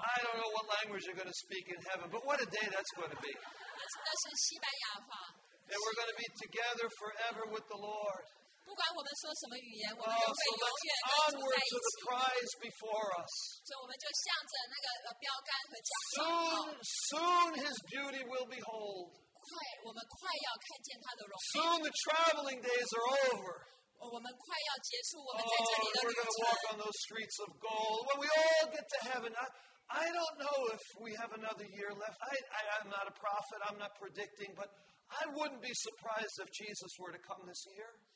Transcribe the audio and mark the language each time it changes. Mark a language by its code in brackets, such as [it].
[en] I don't know what language you're going to speak in heaven, but what a day that's going to be. [zh] 那是西班牙话。 [en] And we're going to be together forever with the Lord. [zh] 不管我们说什么语言，我们都会永远跟主在一起。 [en] Onward to the prize before us. [zh] 所以我们就向着那个标杆和奖章。 [en] Soon his beauty will behold. [zh] 快，我们快要看见他的荣耀。 [en] Soon the traveling days are over. We're going to walk on those streets of gold. When we all get to heaven, I don't know if we have another year left. I'm not a prophet. I'm not predicting. But I wouldn't be surprised if Jesus were to come this year.